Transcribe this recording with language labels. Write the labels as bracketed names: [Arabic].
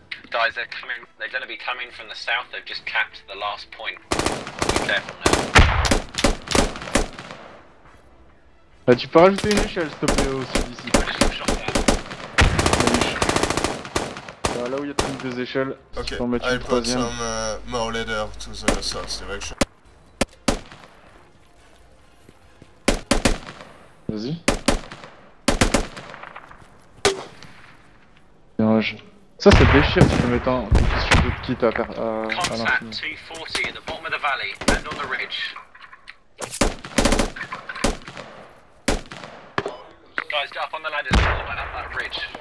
[English] Guys, they're coming, they're gonna be coming from the south, they've just capped the last point. Be careful now. [French] Bah, tu peux rajouter une échelle, s'il te plaît, au sud ici. Je suis [English] shot down. [French] Bah, là où il y a toutes les échelles, okay. Si on met une troisième. [English] Ok, I put some more ladder to the south direction. [French] Vas-y. Bien, je... Ça, ça déchire si tu peux mettre un petit sur de kit à faire. [English] Contact 240 at the bottom of the valley and on the ridge. Guys, get up on the ladder and up that ridge.